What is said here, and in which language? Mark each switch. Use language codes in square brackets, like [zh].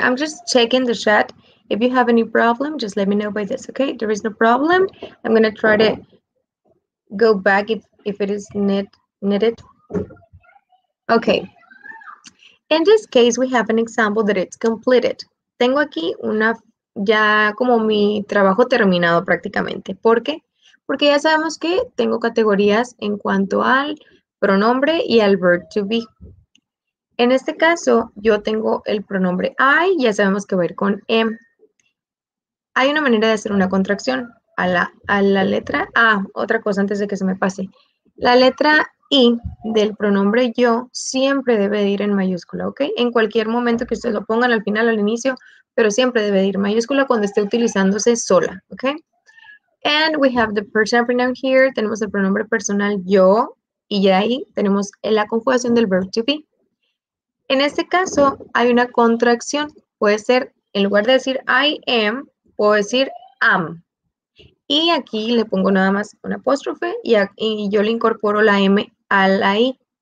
[en] I'm just checking the chat. If you have any problem, just let me know by this, okay? There is no problem. I'm going to try to go back if it is needed. Okay. In this case, we have an example that it's completed. [es] Tengo aquí una ya como mi trabajo terminado prácticamente. ¿Por qué? Porque ya sabemos que tengo categorías en cuanto al pronombre y al verb to be. En este caso, yo tengo el pronombre I, ya sabemos que va a ir con M. Hay una manera de hacer una contracción a la letra A. Otra cosa antes de que se me pase. La letra I del pronombre yo siempre debe de ir en mayúscula, ¿ok? En cualquier momento que ustedes lo pongan al final o al inicio, pero siempre debe de ir mayúscula cuando esté utilizándose sola, ¿ok? [en] And we have the personal pronoun here. [es] Tenemos el pronombre personal yo y ya ahí tenemos la conjugación del verb to be. En este caso, hay una contracción. Puede ser, en lugar de decir I am, puedo decir am. Y aquí le pongo nada más un apóstrofe y yo le incorporo la M a la I.